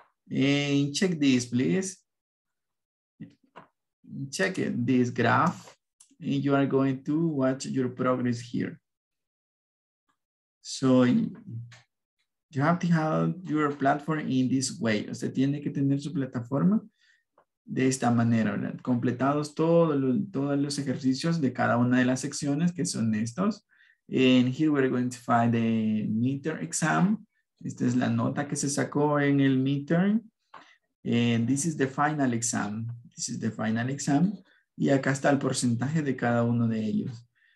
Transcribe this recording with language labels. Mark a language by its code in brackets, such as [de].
[en] And check this, please. Check it, this graph, and you are going to watch your progress here. So you have to have your platform in this way. [es] O sea, tiene que tener su plataforma de esta manera, ¿verdad? Completados todos los ejercicios de cada una de las secciones, que son estos. [en] And here we're going to find the midterm exam. [es] Esta es la nota que se sacó en el midterm. [en] And this is the final exam. This is the final exam. [es] Y acá está el porcentaje de cada uno de ellos.